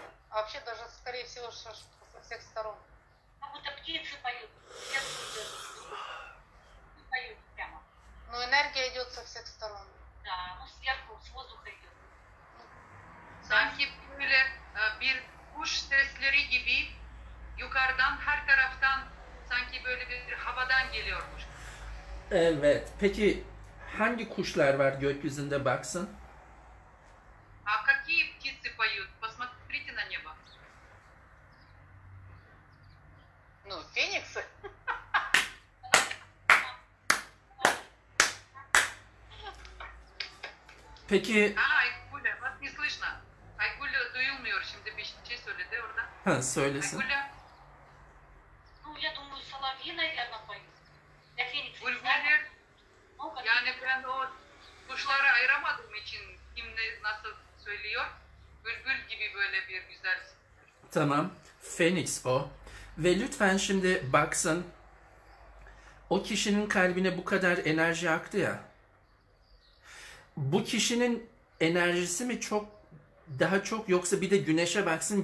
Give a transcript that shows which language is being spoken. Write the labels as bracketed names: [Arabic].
[Russian] Вообще даже, скорее всего, со всех сторон. Как будто птицы поют. Птицы поют прямо. Но энергия идет со всех сторон. Да, ну сверху, с воздуха идет. [Turkish] Sanki böyle bir kuş sesleri gibi yukarıdan her taraftan sanki böyle bir havadan geliyormuş. Evet. Peki hangi kuşlar var gökyüzünde baksın? [Russian] А какие птицы поют? Посмотрите на небо. Ну, фениксы. [Turkish] Peki. [Russian] А, Айгуля, вас не слышно. [Turkish] Айгуля, duyulmuyor şimdi bir şey söyledi orada. Ha, söylesin. [Russian] Айгуля. Ну, я думаю, соловьи, наверное, поют. Я феникс. [Turkish] Бульбулер. Yani ben o kuşları ayıramadığım için kim ne nasıl söylüyor. Bülbül gibi böyle bir güzel. Tamam. Phoenix o. Ve lütfen şimdi baksın. O kişinin kalbine bu kadar enerji aktı ya. Bu kişinin enerjisi mi çok daha çok yoksa bir de güneşe baksın.